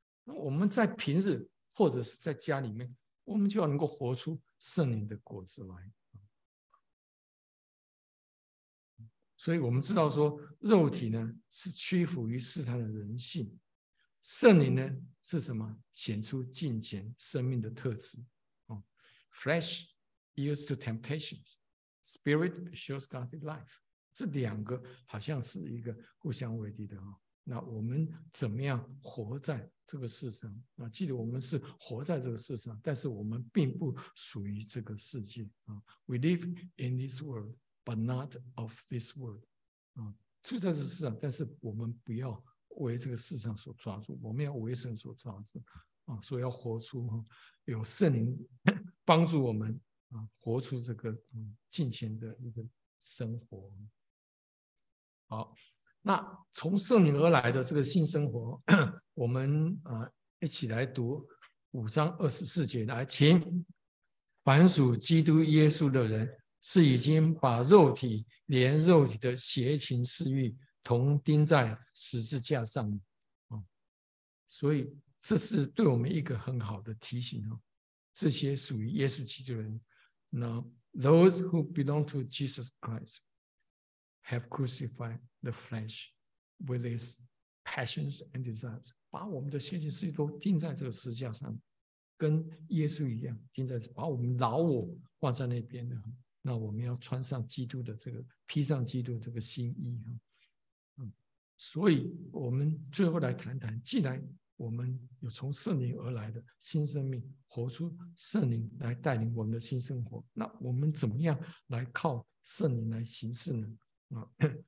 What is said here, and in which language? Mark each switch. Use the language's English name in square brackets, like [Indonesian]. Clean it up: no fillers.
[Chinese] 我们在平日或者是在家里面，我们就要能够活出圣灵的果子来。所以我们知道说，肉体呢是屈服于试探的人性，圣灵呢是什么？显出近前生命的特质。 [English] Flesh yields to temptations, spirit shows godly life. [Chinese] 这两个好像是一个互相为敌的。那我们怎么样活在这个世上？那记得我们是活在这个世上，但是我们并不属于这个世界。 [English] We live in this world. But not of this world. [Chinese] 住在这世上，但是我们不要为这个世上所抓住，我们要为神所抓住，所以要活出有圣灵帮助我们活出这个敬虔的一个生活。好，那从圣灵而来的这个新生活，我们一起来读五章二十四节。来，请凡属基督耶稣的人是已经把肉体连肉体的邪情私欲同钉在十字架上。所以这是对我们一个很好的提醒，这些属于耶稣基督的人， [English] Now, those who belong to Jesus Christ have crucified the flesh with its passions and desires. [Chinese] 把我们的邪情私欲都钉在这个十字架上，跟耶稣一样钉在，把我们老我放在那边的。那我们要穿上基督的这个，披上基督的这个新衣。所以我们最后来谈谈，既然我们有从圣灵而来的新生命，活出圣灵来带领我们的新生活，那我们怎么样来靠圣灵来行事呢？